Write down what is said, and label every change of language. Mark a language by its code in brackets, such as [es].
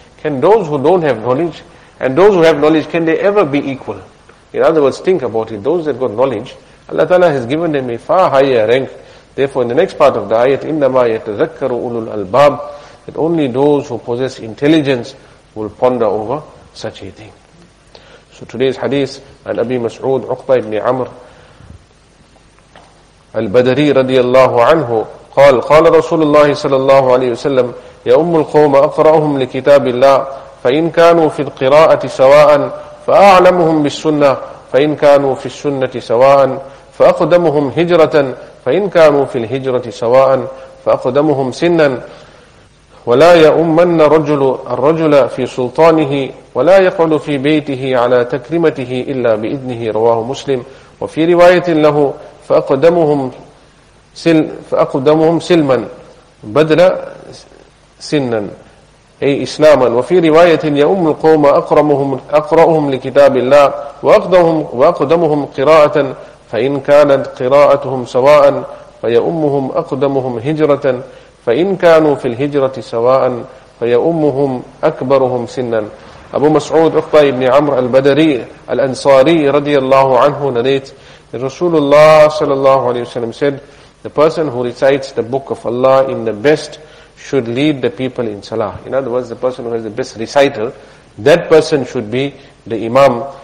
[en] Can those who don't have knowledge and those who have knowledge, can they ever be equal? In other words, think about it. Those that got knowledge, Allah Ta'ala has given them a far higher rank. Therefore, in the next part of the ayat, [ar] إِنَّمَا يَتَذَكَّرُ أُولُو الْأَلْبَابِ, [en] that only those who possess intelligence will ponder over such a thing. So today's hadith, [ar] عن أبي مسعود عقبة بن عمر البدري رضي الله عنه قال قال رسول الله صلى الله عليه وسلم يا أم القوم أقرأهم لكتاب الله فإن كانوا في القراءة سواء فأعلمهم بالسنة فإن كانوا في السنة سواء فأقدمهم هجرة فإن كانوا في الهجرة سواء فأقدمهم سنا ولا يؤمن رجل الرجل في سلطانه ولا يقعد في بيته على تكرمته إلا بإذنه. رواه مسلم. وفي رواية له فأقدمهم فأقدمهم سلما بدل سنا أي إسلاما. وفي رواية يؤم القوم أقرأهم لكتاب الله وأقدمهم قراءة فإن كانت قراءتهم سواء فيؤمهم أقدمهم هجرة فإن كانوا في الهجرة سواء فيؤمهم أكبرهم سنا. أبو مسعود عقبة بن عمرو البدري الأنصاري رضي الله عنه نريت رسول الله صلى الله عليه وسلم [en] said, the person who recites the book of Allah in the best should lead the people in salah. In other words, the person who has the best recital, that person should be the imam.